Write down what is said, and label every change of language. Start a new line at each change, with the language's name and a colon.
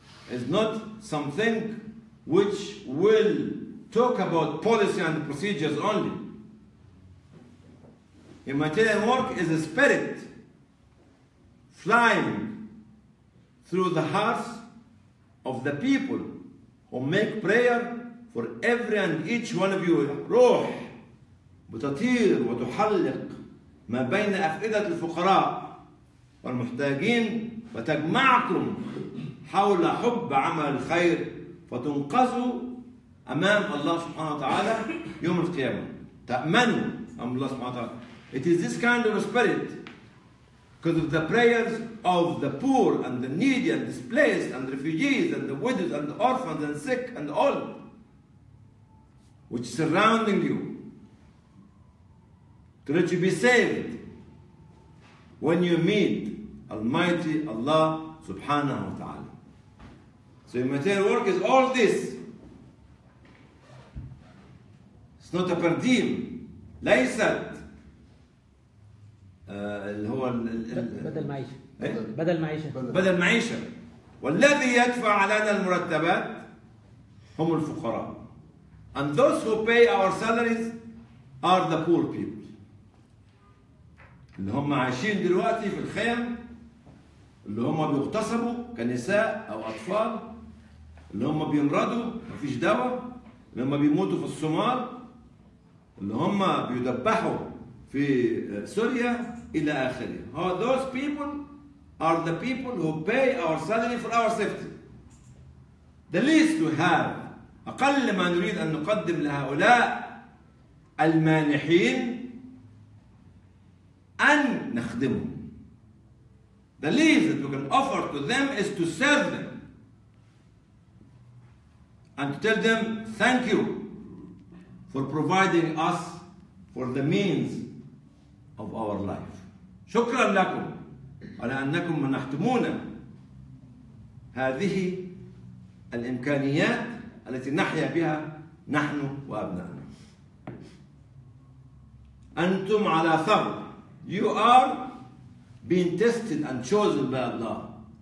English: It's not something which will talk about policy and procedures only. Humanitarian work is a spirit. Flying through the hearts of the people who make prayer for every and each one of you.
Arabic: روح بتطير وتحلق ما بين أفئدة الفقراء والمحتاجين وتجمعكم حول حب عمل الخير فتنقذوا أمام الله سبحانه وتعالى يوم القيامة. تأمنوا أمام الله سبحانه وتعالى.
English: It is this kind of spirit. Because of the prayers of the poor and the needy and displaced and refugees and the widows and the orphans and sick and all which is surrounding you to let you be saved when you meet Almighty Allah subhanahu wa ta'ala. So your material work is all this. It's not a per deal.
Arabic: ليست اللي هو بدل معيشة. بدل معيشة. بدل معيشة. والذي يدفع علينا المرتبات هم الفقراء.
English: And those who pay our salaries are the poor people.
Arabic: اللي هم عايشين دلوقتي في الخيام اللي هم بيغتصبوا كنساء أو أطفال اللي هم بينردوا ما فيش دواء اللي هم بيموتوا في الصومال اللي هم بيدبحوا في سوريا إلى آخره.
English: Those people are the people who pay our salary for our safety. The least we have,
Arabic: أقل ما نريد أن نقدم لهؤلاء المانحين أن نخدمهم.
English: The least that we can offer to them is to serve them and to tell them thank you for providing us for the means of our life.
Arabic: شكرا لكم على أنكم منحتمونا هذه الإمكانيات التي نحيا بها نحن وأبنائنا. أنتم على ثغر.
English: You are being tested and chosen by Allah.